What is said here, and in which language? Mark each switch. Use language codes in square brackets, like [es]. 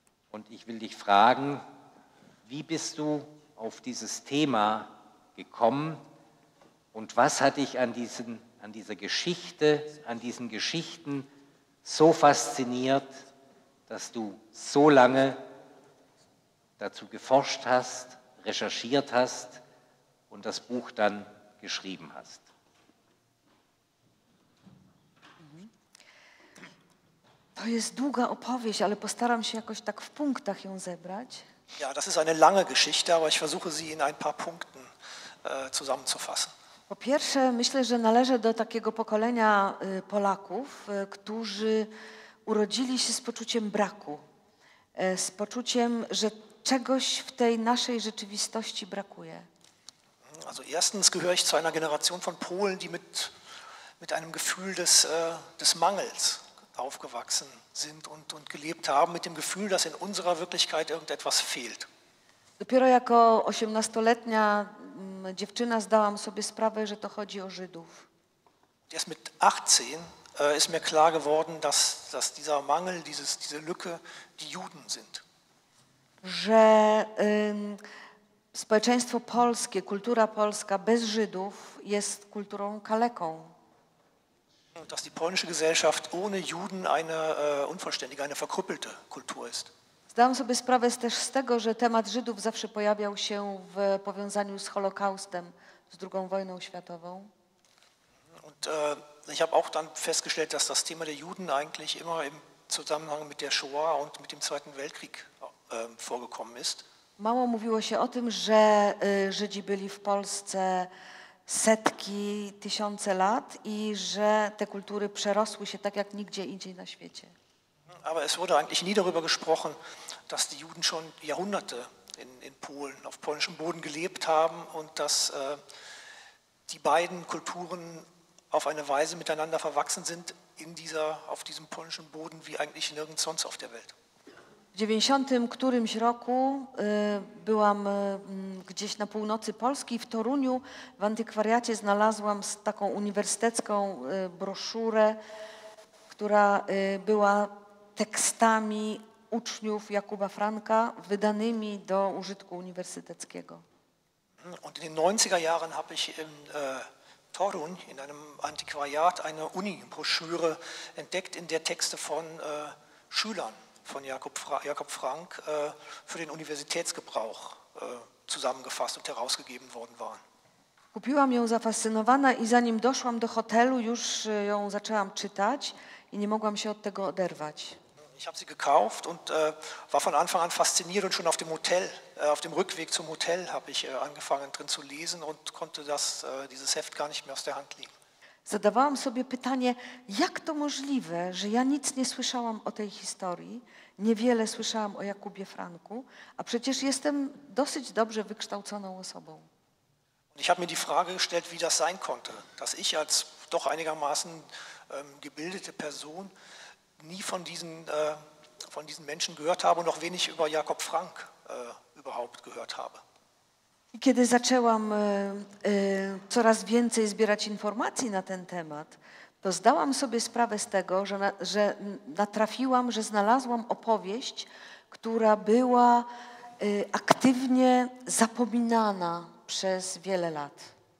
[de] Und ich will dich fragen, wie bist du auf dieses Thema gekommen und was hat dich an diesen Geschichten so fasziniert, dass du so lange dazu geforscht hast, recherchiert hast und das Buch dann geschrieben hast? [pl] To jest długa opowieść, ale postaram się jakoś tak w punktach ją zebrać. [de] Ja, das ist eine lange Geschichte, aber ich versuche sie in ein paar Punkten zusammenzufassen. [pl] Po pierwsze, myślę, że należę do takiego pokolenia Polaków, którzy urodzili się z poczuciem braku, z poczuciem, że czegoś w tej naszej rzeczywistości brakuje. [de] Also erstens gehöre ich zu einer Generation von Polen, die mit einem Gefühl des Mangels aufgewachsen sind und gelebt haben mit dem Gefühl, dass in unserer Wirklichkeit irgendetwas fehlt. [pl] Dopiero jako 18-letnia dziewczyna zdałam sobie sprawę, że to chodzi o Żydów. [de] Erst mit 18 ist mir klar geworden, dass dieser Mangel, diese Lücke die Juden sind. [pl] Że społeczeństwo polskie, kultura polska bez Żydów jest kulturą kaleką. [de] Dass die polnische Gesellschaft ohne Juden eine unvollständige, eine verkrüppelte Kultur ist. [pl] Zdałam sobie sprawę też z tego, że temat Żydów zawsze pojawiał się w powiązaniu z Holokaustem, z II wojną światową. [de] Und ich habe auch dann festgestellt, dass das Thema der Juden eigentlich immer im Zusammenhang mit der Shoah und mit dem Zweiten Weltkrieg vorgekommen ist. [pl] Mało mówiło się o tym, że Żydzi byli w Polsce setki, tysiące lat i że te kultury przerosły się tak jak nigdzie indziej na świecie. [de] Aber es wurde eigentlich nie darüber gesprochen, dass die Juden schon Jahrhunderte in Polen, auf polnischem Boden gelebt haben und dass die beiden Kulturen auf eine Weise miteinander verwachsen sind in dieser, auf diesem polnischen Boden wie eigentlich nirgends sonst auf der Welt. [pl] W 90. którymś roku byłam gdzieś na północy Polski, w Toruniu, w antykwariacie znalazłam taką uniwersytecką broszurę, która była tekstami uczniów Jakuba Franka wydanymi do użytku uniwersyteckiego. [de] Und in den 90er Jahren habe ich im Torun in einem Antiquariat eine Uni-Broschüre entdeckt, in der Texte von Schülern von Jakob Frank für den Universitätsgebrauch zusammengefasst und herausgegeben worden waren. [pl] Kupiłam ją zafascynowana i zanim doszłam do hotelu, już ją zaczęłam czytać i nie mogłam się od tego oderwać. [de] Ich habe sie gekauft und war von Anfang an fasziniert und schon auf dem Hotel, auf dem Rückweg zum Hotel habe ich angefangen drin zu lesen und konnte dieses Heft gar nicht mehr aus der Hand legen. [pl] Zadawałam sobie pytanie, jak to możliwe, że ja nic nie słyszałam o tej historii, niewiele słyszałam o Jakubie Franku, a przecież jestem dosyć dobrze wykształconą osobą. [de] Ich habe mir die Frage gestellt, wie das sein konnte, dass ich als doch einigermaßen gebildete Person nie von diesen Menschen gehört habe und noch wenig über Jakob Frank überhaupt gehört habe. [pl] I kiedy zaczęłam coraz więcej zbierać informacji na ten temat, to zdałam sobie sprawę z tego, że znalazłam opowieść, która była aktywnie zapominana przez wiele lat.